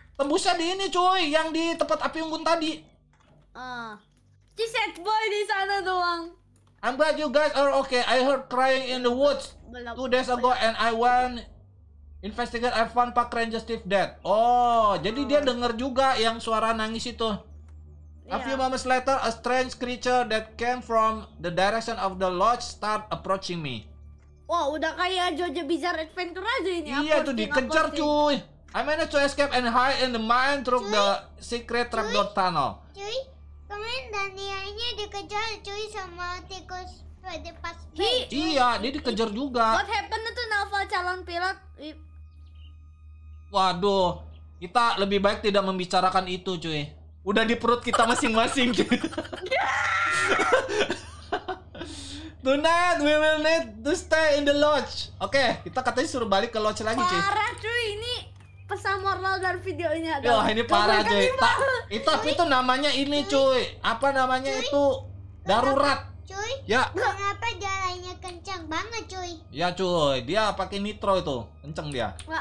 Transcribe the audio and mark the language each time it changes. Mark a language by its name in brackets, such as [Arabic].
[Indonesian] Tembusnya di ini cuy, yang di tempat api unggun tadi. Si sad boy di sana doang. [English] I'm glad you guys are okay. I heard crying in the woods 2 days ago and I went investigate. I found Park Ranger Steve dead. [Indonesian] Jadi dia dengar juga yang suara nangis itu. [English] Yeah. A few moments later, a strange creature that came from the direction of the lodge start approaching me. [Indonesian] Wah, udah kayak Jojo Bizarre Adventure aja ini. Iya, tuh dikejar cuy. [English] I managed to escape and hide in the mine through the secret trapdoor tunnel. [Indonesian] Cuy. Kemarin Danielnya dikejar cuy sama tikus pada pas bed. Iya, dia dikejar juga. [English] What happened to Nova calon pilot? [Indonesian] Waduh, kita lebih baik tidak membicarakan itu cuy. Udah di perut kita masing-masing. [English] Tonight we will need to stay in the lodge. [Indonesian] Kita katanya suruh balik ke lodge lagi cuy. Parah cuy, ini pesan moral dari videonya. Wah, ini parah cuy. Itu namanya ini cuy. Apa namanya cuy? Itu darurat. Cuy. Ya. Kenapa jalannya kencang banget cuy? Ya cuy, dia pakai nitro itu. Kencang dia.